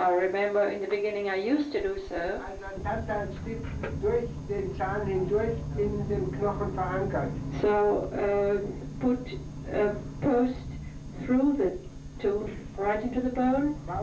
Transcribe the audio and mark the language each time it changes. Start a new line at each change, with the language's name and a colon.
English: I remember in the beginning I used to do so.
German: Also ein Tantanstift durch den Zahn hindurch in dem Knochen verankert.
English: So put post through the tooth, right into the bone.